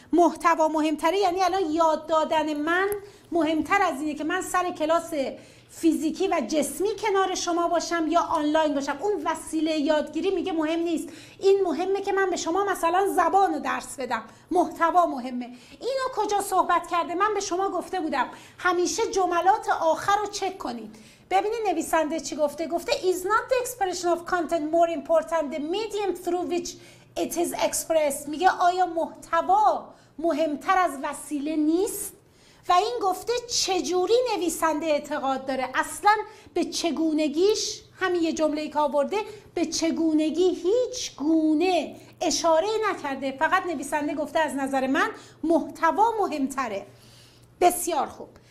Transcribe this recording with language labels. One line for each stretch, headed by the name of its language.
Persian: محتوا مهمتره، یعنی الان یاد دادن من مهمتر از اینه که من سر کلاس فیزیکی و جسمی کنار شما باشم یا آنلاین باشم. اون وسیله یادگیری میگه مهم نیست، این مهمه که من به شما مثلا زبان رو درس بدم، محتوا مهمه. اینو کجا صحبت کرده؟ من به شما گفته بودم همیشه جملات آخر رو چک کنید. ببینید نویسنده چی گفته. گفته
English: is not the expression of content more important the medium through which it is expressed.
Persian: میگه آیا محتوا مهمتر از وسیله نیست؟ و این گفته چجوری نویسنده اعتقاد داره، اصلا به چگونگیش، همین یه جمله‌ای که آورده، به چگونگی هیچ گونه اشاره نکرده، فقط نویسنده گفته از نظر من محتوا مهمتره. بسیار خوب،